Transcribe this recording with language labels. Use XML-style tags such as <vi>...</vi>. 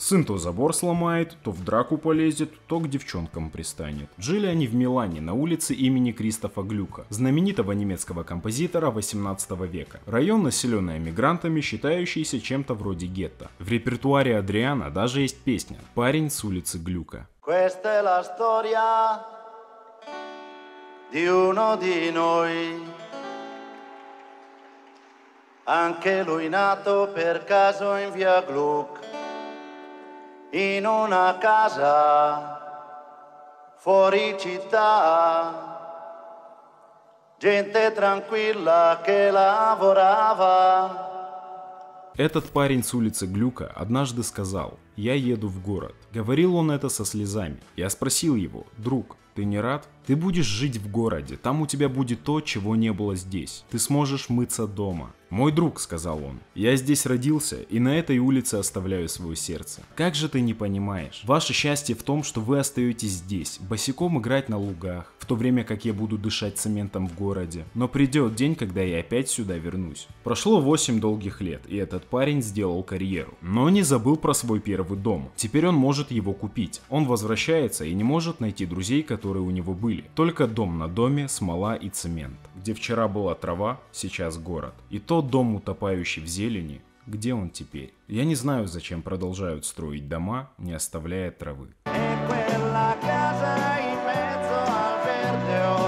<ru>Сын то забор сломает, то в драку полезет, то к девчонкам пристанет. Жили они в Милане, на улице имени Кристофа Глюка, знаменитого немецкого композитора 18 века. Район, населенный эмигрантами, считающийся чем-то вроде гетто. В репертуаре Адриано даже есть песня «Парень с улицы Глюка».</ru> <it>Questa è la storia di uno di noi, anche lui nato per caso in via Gluck, in una casa fuori città, gente tranquilla che lavorava.</it> <ru>Этот парень с улицы Глюка однажды сказал: «Я еду в город». Говорил он это со слезами. Я спросил его: «Друг, ты не рад? Ты будешь жить в городе, там у тебя будет то, чего не было здесь. Ты сможешь мыться дома». «Мой друг», — сказал он, — «я здесь родился и на этой улице оставляю свое сердце». Как же ты не понимаешь? Ваше счастье в том, что вы остаетесь здесь, босиком играть на лугах, в то время как я буду дышать цементом в городе. Но придет день, когда я опять сюда вернусь. Прошло 8 долгих лет, и этот парень сделал карьеру. Но не забыл про свой первый дом. Теперь он может его купить. Он возвращается и не может найти друзей, которые у него были. Только дом на доме, смола и цемент. Где вчера была трава, сейчас город. И тот дом, утопающий в зелени, где он теперь? Я не знаю, зачем продолжают строить дома, не оставляя травы.</ru> <it>E quella casa in mezzo al verde</it>